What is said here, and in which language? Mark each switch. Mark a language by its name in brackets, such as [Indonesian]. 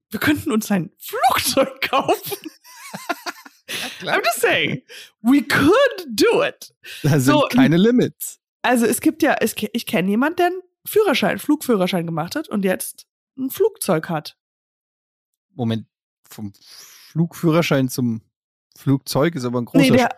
[German] Wir könnten uns ein Flugzeug kaufen. [English] I'm just saying, we could do it. [German] Da sind so, keine Limits. Also es gibt ja, ich kenne jemanden, der einen Flugführerschein gemacht hat und jetzt ein Flugzeug hat. Moment, vom Flugführerschein zum Flugzeug ist aber ein großer Sprung.